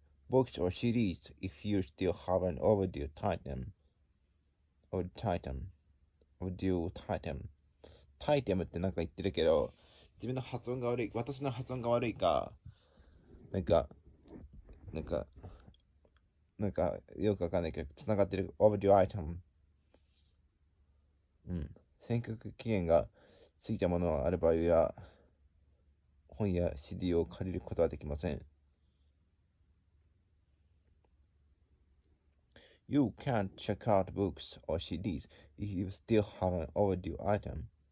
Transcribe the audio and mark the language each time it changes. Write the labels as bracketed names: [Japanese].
[English] Books or CDs if you still have an overdue titan [Japanese] ってなんか言ってるけど自分の発音が悪い私の発音が悪いかなんかよくわかんないけど繋がってる [English] overdue item [Japanese] うん選曲期限が過ぎたものがある場合は本や CD を借りることはできません [English] You can't check out books or CDs if you still have an overdue item.